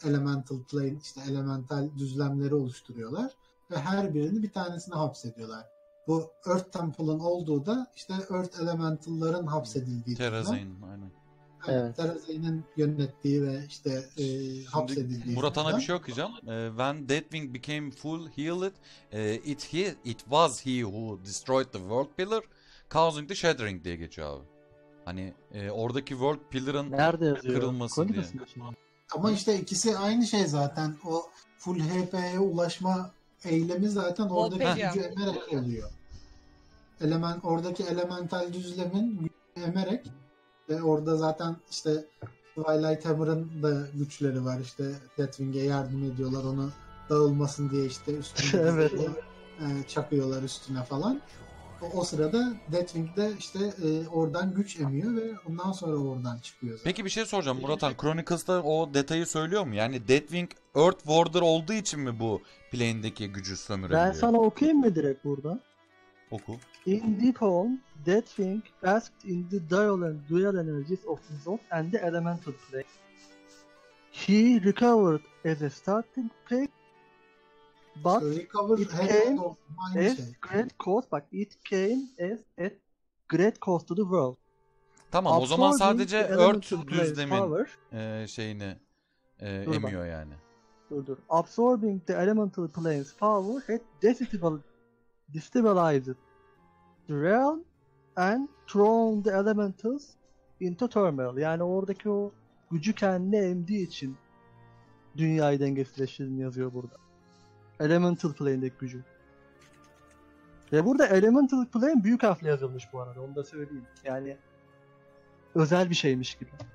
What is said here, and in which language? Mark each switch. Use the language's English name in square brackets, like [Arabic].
[Turkish] Elemental plane işte elemental düzlemleri oluşturuyorlar ve her birini bir tanesine hapsediyorlar. Bu Earth Temple'ın olduğu da işte Earth Elemental'ların hapsedildiği. Terezin, aynen. Evet. Terezin'in yönettiği ve işte hapsedildiği. Murat Han'a bir şey okuyacağım. [English] When Deathwing became full healed, it was he who destroyed the world pillar, Causing the Shattering [Turkish] diye geçiyor abi. Hani oradaki World Pillar'ın kırılması diye. Ama işte ikisi aynı şey zaten. O full HP'ye ulaşma eylemi zaten oradaki gücü emerek oluyor. Oradaki elemental düzlemin gücü emerek ve orada zaten işte Twilight Hammer'ın da güçleri var. İşte Deathwing'e yardım ediyorlar onu dağılmasın diye işte üstüne evet. Çakıyorlar üstüne falan. O sırada Deathwing de işte oradan güç emiyor ve ondan sonra oradan çıkıyor zaten. Peki bir şey soracağım Murat'an. Chronicles'ta o detayı söylüyor mu? Yani Deathwing Earth Warder olduğu için mi bu plane'deki gücü sömürebiliyor? Ben sana okuyayım mı direkt burada? Oku. [English] In deep home, Deathwing basked in the dual energies of the Zoth and the Elemental Plane. He recovered as a starting pick. But it came as great cost. [Turkish] Bak, [English] it came as a great cost to the world. [Turkish] Tamam, absorbing o zaman sadece Earth düzlemin power, şeyini emiyor yani. Dur. [English] Absorbing the elemental plane's power had destabilized the realm and thrown the elementals into turmoil. [Turkish] Yani oradaki o gücü kendine emdiği için dünyayı dengesizleştirdiğini yazıyor burada. Elemental Plane'deki gücü. Ve burada Elemental Plane büyük harfle yazılmış bu arada. Onu da söyleyeyim. Yani özel bir şeymiş gibi.